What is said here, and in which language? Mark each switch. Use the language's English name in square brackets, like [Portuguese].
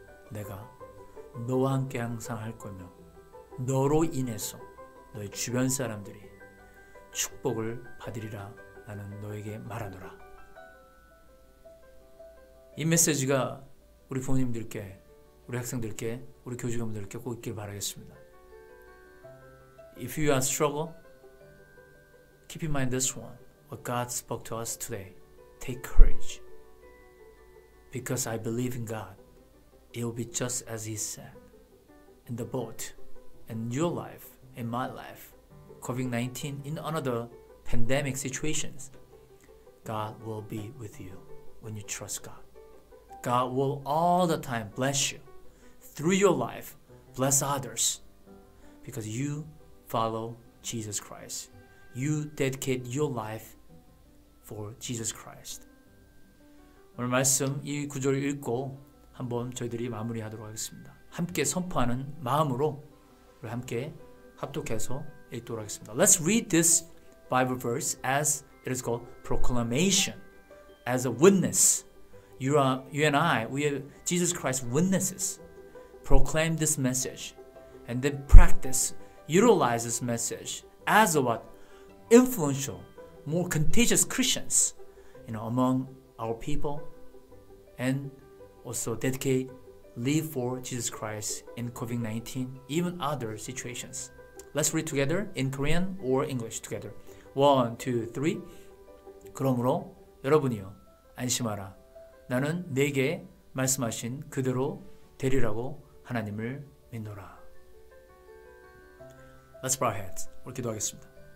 [Korean] 내가 너와 함께 항상 할 거며 너로 인해서 너의 주변 사람들이 축복을 받으리라 나는 너에게 말하노라. 이 메시지가 우리 부모님들께, 우리 학생들께, 우리 교직원들께 꼭 있길 바라겠습니다. [English] If you are struggle, keep in mind this one. What God spoke to us today. Take courage. Because I believe in God. It will be just as He said. In the boat, in your life, in my life, COVID-19, in another pandemic situations, God will be with you when you trust God. God will all the time bless you through your life, bless others, because you follow Jesus Christ. You dedicate your life for Jesus Christ. [Korean] 오늘 말씀 이 구절을 읽고 한번 저희들이 마무리하도록 하겠습니다. 함께 선포하는 마음으로 우리 함께 합독해서 읽도록 하겠습니다. [English] Let's read this Bible verse as it is called proclamation, as a witness. Jesus Christ witnesses, proclaim this message, and then practice, utilize this message as a what? Influential, more contagious Christians, you know, among our people, and also dedicate, live for Jesus Christ in COVID-19, even other situations. Let's read together in Korean or English together. 1, 2, 3. [Korean] 그러므로 여러분이요, 안심하라. 나는 네게 말씀하신 그대로 되리라고 하나님을 믿노라. [English] Let's bow our heads. [Korean] 우리 기도하겠습니다.